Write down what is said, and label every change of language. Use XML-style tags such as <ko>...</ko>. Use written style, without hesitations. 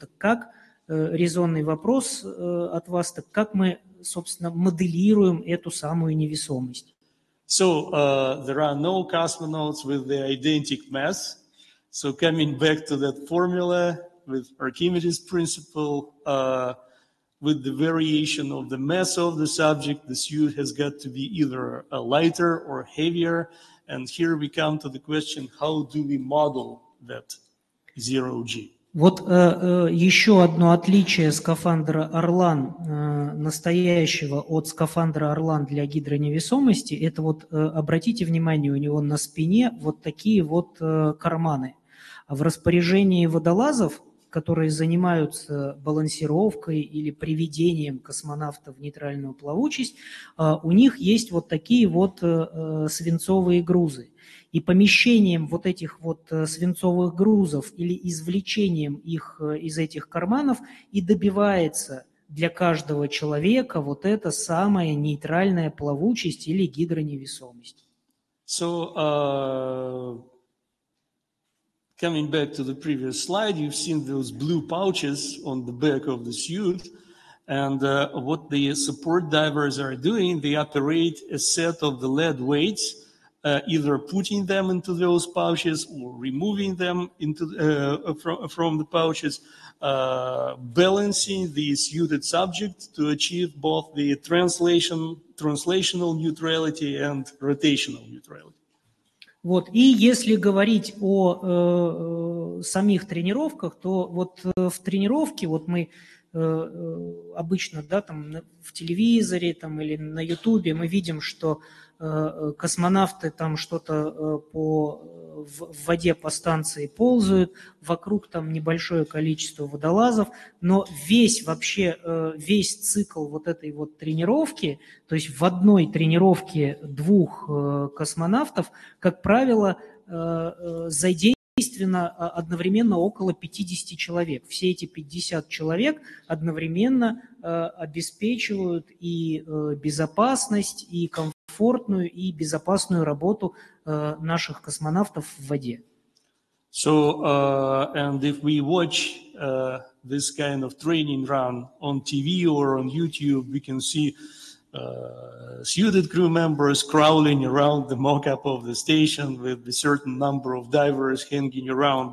<ru>Так как, резонный вопрос от вас, так как мы, собственно, моделируем эту самую невесомость?</ru> <en>So, there are no cosmonauts with the identical mass. So, coming back to that formula with Archimedes' principle, with the variation of the mass of the subject, the suit has got to be either lighter or heavier. And here we come to the question, how do we model that zero G?</en> <ru>Вот еще одно отличие скафандра Орлан настоящего от скафандра Орлан для гидроневесомости, это вот, обратите внимание, у него на спине вот такие вот карманы. А в распоряжении водолазов, которые занимаются балансировкой или приведением космонавта в нейтральную плавучесть, у них есть вот такие вот свинцовые грузы. И помещением вот этих вот свинцовых грузов или извлечением их из этих карманов и добивается для каждого человека вот эта самая нейтральная плавучесть или гидроневесомость.</ru> <en>So, coming back to the previous slide, you've seen those blue pouches on the back of the suit, and what the support divers are doing, they operate a set of the lead weights, either putting them into those pouches or removing them into from the pouches, balancing the suited subject to achieve both the translational neutrality and rotational neutrality.</en> <ru>Вот. И если говорить о самих тренировках, то вот в тренировке вот мы обычно, да, там в телевизоре там, или на Ютубе мы видим, что космонавты там что-то в воде по станции ползают, вокруг там небольшое количество водолазов, но весь вообще, весь цикл вот этой вот тренировки, то есть в одной тренировке двух космонавтов, как правило, задействовано одновременно около 50 человек. Все эти 50 человек одновременно обеспечивают и безопасность, и комфортную и безопасную работу наших космонавтов в воде.</ru> <en>So, and if we watch this kind of training run on TV or on YouTube, we can see suited crew members crawling around the mock-up of the station with a certain number of divers hanging around.</en>